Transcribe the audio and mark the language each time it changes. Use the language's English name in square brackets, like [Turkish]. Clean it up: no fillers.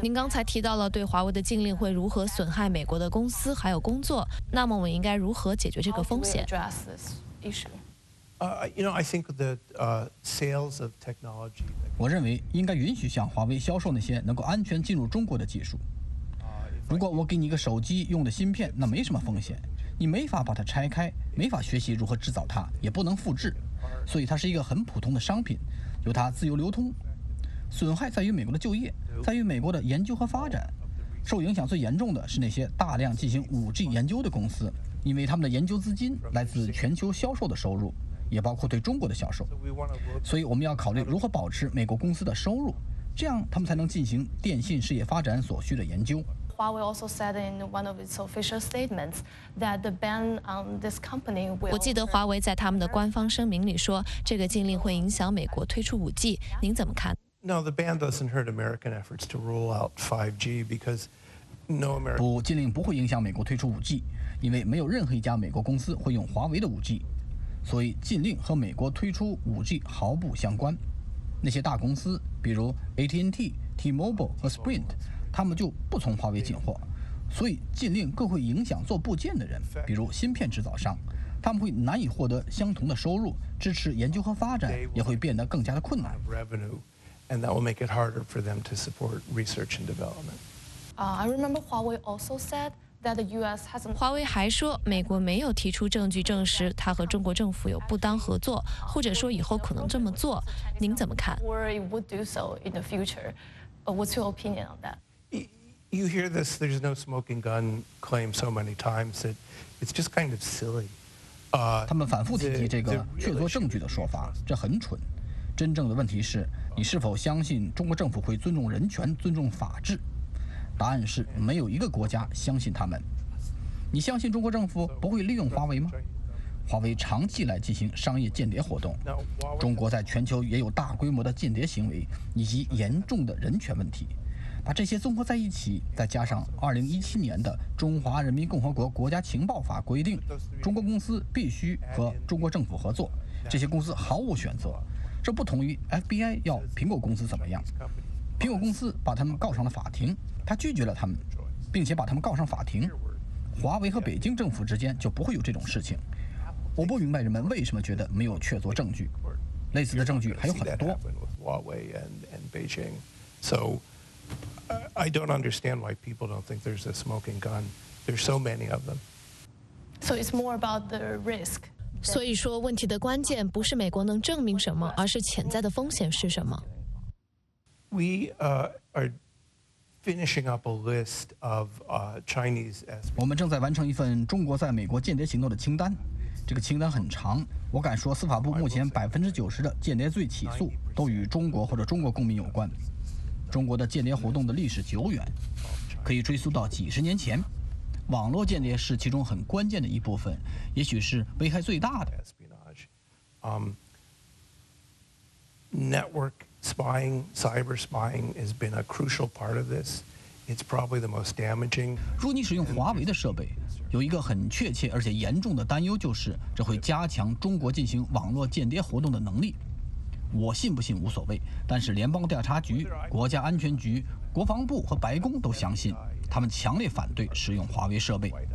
[Chinese] 您刚才提到了对华为的禁令会如何损害美国的公司还有工作，那么我们应该如何解决这个风险？ [English] How do we address this issue? You know, I think that sales of technology. [Chinese] 我认为应该允许向华为销售那些能够安全进入中国的技术。如果我给你一个手机用的芯片，那没什么风险，你没法把它拆开，没法学习如何制造它，也不能复制，所以它是一个很普通的商品，由它自由流通。损害在于美国的就业，在于美国的研究和发展。受影响最严重的是那些大量进行 5G 研究的公司，因为他们的研究资金来自全球销售的收入，也包括对中国的销售。所以我们要考虑如何保持美国公司的收入，这样他们才能进行电信事业发展所需的研究。 [English] 华为 also said in one of its official statements that the ban on this company will. [Chinese] 我记得华为在他们的官方声明里说，这个禁令会影响美国推出 5G。您怎么看？ [English] No, the ban doesn't hurt American efforts to roll out 5G because no American. [Chinese] 不，禁令不会影响美国推出 5G， 因为没有任何一家美国公司会用华为的 5G， 所以禁令和美国推出 5G 毫不相关。那些大公司，比如 AT&T、T-Mobile 和 Sprint， 他们就不从华为进货，所以禁令更会影响做部件的人，比如芯片制造商。他们会难以获得相同的收入，支持研究和发展也会变得更加的困难。 [English] And that will make it harder for them to support research and development. I remember Huawei also said that the U.S. hasn't. [Chinese] 华为还说，美国没有提出证据证实它和中国政府有不当合作，或者说以后可能这么做。您怎么看 [English] ？Worry would do so in the future. What's your opinion on that? You hear this, there's no smoking gun claim so many times that it's just kind of silly. [Chinese] 他们反复提及这个确凿证据的说法，这很蠢。真正的问题是，你是否相信中国政府会尊重人权、尊重法治？答案是没有一个国家相信他们。你相信中国政府不会利用华为吗？华为长期来进行商业间谍活动，中国在全球也有大规模的间谍行为以及严重的人权问题。把这些综合在一起，再加上2017年的《中华人民共和国国家情报法》规定，中国公司必须和中国政府合作，这些公司毫无选择。这不同于 FBI 要苹果公司怎么样，苹果公司把他们告上了法庭，他拒绝了他们，并且把他们告上法庭。华为和北京政府之间就不会有这种事情。我不明白人们为什么觉得没有确凿证据，类似的证据还有很多。 [English] Huawei and Beijing, so I don't understand why people don't think there's a smoking gun. There's so many of them. So it's more about the risk. [Chinese] 所以说问题的关键不是美国能证明什么，而是潜在的风险是什么。 [English] We are finishing up a list of Chinese espionage. [Chinese] 我们正在完成一份中国在美国间谍行动的清单，这个清单很长。我敢说司法部目前90%的间谍罪起诉都与中国或者中国公民有关。中国的间谍活动的历史久远，可以追溯到几十年前。网络间谍是其中很关键的一部分，也许是危害最大的。 [English] Network spying, cyber spying has been a crucial part of this. It's probably the most damaging. [Chinese] 如果你使用华为的设备，有一个很确切而且严重的担忧，就是这会加强中国进行网络间谍活动的能力。我信不信无所谓，但是联邦调查局、国家安全局、国防部和白宫都相信。他们强烈反对使用华为设备。